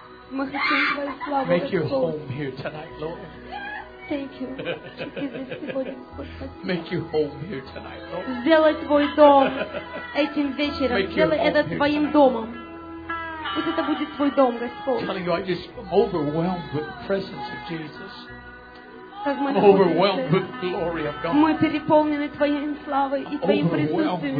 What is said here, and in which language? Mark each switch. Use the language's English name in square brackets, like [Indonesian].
[Russian] Мы хотим твою славу, [English] Make your home here tonight, Lord. Thank you. [Russian] Сегодня, [English] Make your home here tonight, Lord. [Russian] Сделай твой дом этим вечером. [English] Make [Russian] сделай это твоим домом. Пусть это будет твой дом, Господь. [English] Telling you, I just I'm overwhelmed with the presence of Jesus. [Russian] Мы переполнены твоей славой и твоим присутствием.